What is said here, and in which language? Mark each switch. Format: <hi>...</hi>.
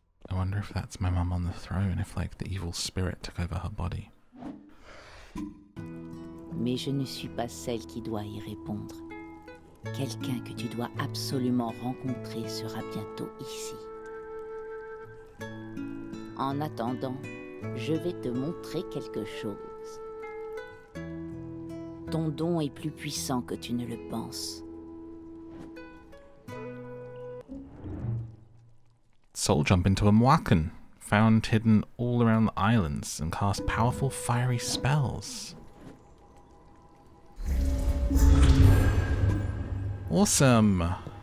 <en>I wonder if that's my mum on the throne, if like the evil spirit took over her body.</en> <fr>Mais je ne suis pas celle qui doit y répondre. Quelqu'un que tu dois absolument rencontrer sera bientôt ici. En attendant, je vais te montrer quelque chose. ton don est plus puissant que tu ne le penses.</fr> <en>Soul jump into a mwakan, found hidden all around the islands, and cast powerful fiery spells. Awesome!</en>